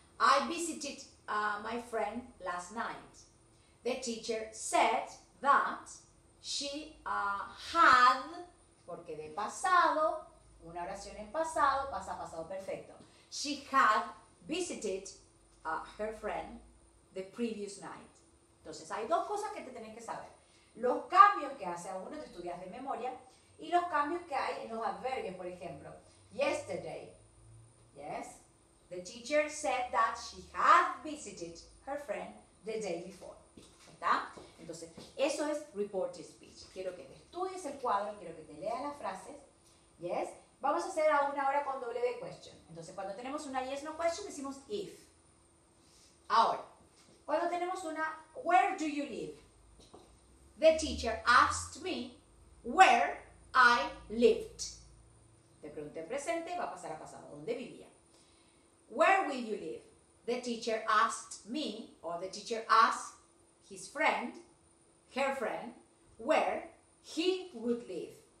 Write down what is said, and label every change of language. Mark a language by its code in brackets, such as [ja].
[en] I visited my friend last night. The teacher said that she had, [es] porque de pasado, una oración en pasado, pasa pasado perfecto. [en] She had visited her friend the previous night. [es] Entonces, hay dos cosas que te tenés que saber. Los cambios que hace a uno, te estudias de memoria, y los cambios que hay en los adverbios, por ejemplo. [en] Yesterday, yes, the teacher said that she had visited her friend the day before. [es] ¿Está? Entonces, eso es reported speech. Quiero que te estudies el cuadro, quiero que te leas las frases. Yes, vamos a hacer una hora con W question. Entonces, cuando tenemos una yes, no question, decimos if. Ahora, cuando tenemos una [en] where do you live? The teacher asked me where I lived. [es] Te pregunté en presente, va a pasar a pasado. ¿Dónde vivía? [en] Where will you live? The teacher asked me, or the teacher asked his friend, her friend, where he would live.